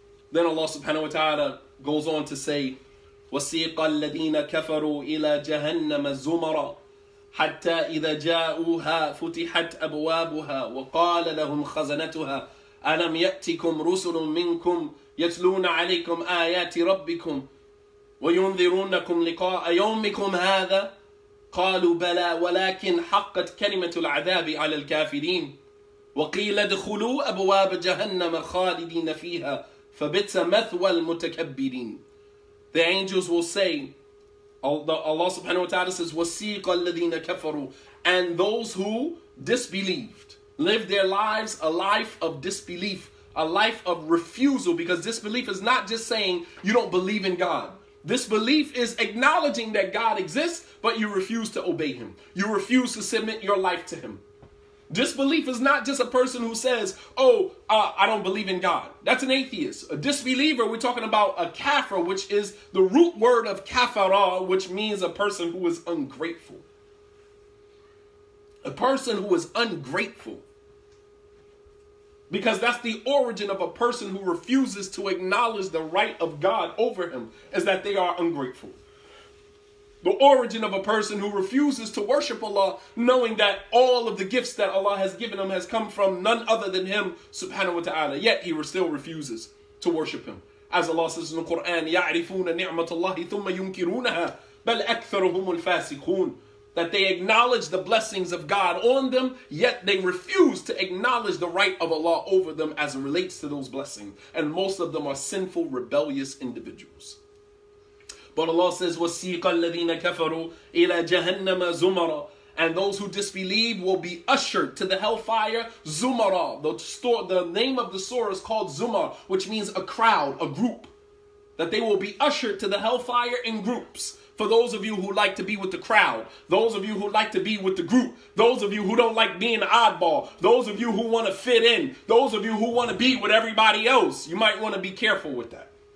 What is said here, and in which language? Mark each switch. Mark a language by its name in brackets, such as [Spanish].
[English] Then Allah subhanahu wa ta'ala goes on to say, [Arabic] وسيق الذين كفروا إلى جهنم زمرا حتى إذا جاءوها فتحت أبوابها وقال لهم خزنتها ألم يأتكم رسل منكم يتلون عليكم آيات ربكم وَيُنذِرُونَكُمْ لِقَاءَ يَوْمِكُمْ هَذَا قَالُوا بَلَى وَلَكِنْ حَقَّتْ كَلِمَةُ الْعَذَابِ عَلَى الْكَافِرِينَ وَقِيلَ ادْخُلُوا أَبْوَابَ جَهَنَّمَ خَالِدِينَ فِيهَا فَبِئْسَ مَثْوَى الْمُتَكَبِّرِينَ. [English] The angels will say, Allah subhanahu wa ta'ala says, [Arabic] وَسِيقَ الَّذِينَ كَفَرُوا, [English] and those who disbelieved, lived their lives a life of disbelief, a life of refusal, because disbelief is not just saying you don't believe in God. This belief is acknowledging that God exists, but you refuse to obey him. You refuse to submit your life to him. Disbelief is not just a person who says, I don't believe in God. That's an atheist. A disbeliever, we're talking about a kafir, which is the root word of kafara, which means a person who is ungrateful. A person who is ungrateful. Because that's the origin of a person who refuses to acknowledge the right of God over him, is that they are ungrateful. The origin of a person who refuses to worship Allah, knowing that all of the gifts that Allah has given him has come from none other than him, subhanahu wa ta'ala. Yet he still refuses to worship him. As Allah says in the Quran, [Arabic] يَعْرِفُونَ نِعْمَةَ اللَّهِ ثُمَّ يُنْكِرُونَهَا بَلْ أَكْثَرُهُمُ الْفَاسِقُونَ. [English] That they acknowledge the blessings of God on them, yet they refuse to acknowledge the right of Allah over them as it relates to those blessings. And most of them are sinful, rebellious individuals. But Allah says, [Arabic] وَسِيقَ الَّذِينَ كَفَرُوا إِلَى جَهَنَّمَ زُمَرًا. [English] And those who disbelieve will be ushered to the hellfire, Zumarah. The name of the surah is called Zumar, which means a crowd, a group. That they will be ushered to the hellfire in groups. For those of you who like to be with the crowd, those of you who like to be with the group, those of you who don't like being an oddball, those of you who want to fit in, those of you who want to be with everybody else, you might want to be careful with that.